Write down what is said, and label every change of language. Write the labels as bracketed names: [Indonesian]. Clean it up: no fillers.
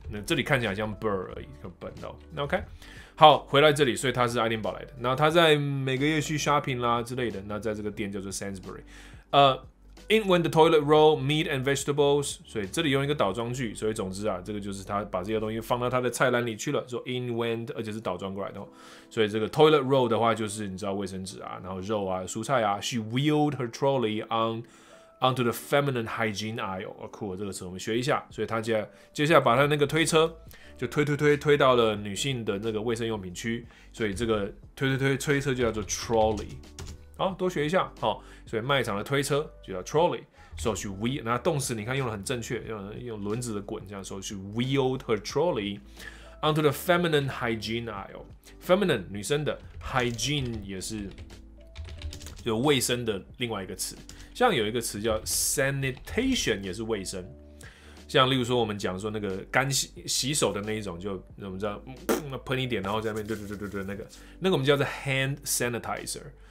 [Chinese] 那这里看起来像 Burr 而已，就笨到。OK。 好，回来这里，所以他是爱丁堡来的。那他在每个月去 shopping 啦之类的。那在这个店叫做 Sainsbury， [English] In when the toilet roll, meat and vegetables. [Chinese] 所以这里用一个倒装句，所以总之啊，这个就是他把这些东西放到他的菜篮里去了。说 [English] in when， [Chinese] 而且是倒装过来的。所以这个 toilet roll 的话，就是你知道卫生纸啊，然后肉啊，蔬菜啊。 [English] She wheeled her trolley onto the feminine hygiene aisle. [Chinese] 哦，酷，这个词我们学一下。所以他接下来把他那个推车就推到了女性的那个卫生用品区。所以这个推车就叫做 trolley。好，多学一下，好，所以卖场的推车就叫 trolley， [English] so she wheeled， [Chinese] 那动词你看用的很正确，用轮子的滚这样， [English] so she wheeled her trolley onto the feminine hygiene aisle， [Chinese] feminine 女生的 hygiene 也是有卫生的另外一个词，像有一个词叫 sanitation 也是卫生，像例如说我们讲说那个干 洗手的那一种，就我们知道喷一点，然后在那边对那个我们叫做 hand sanitizer。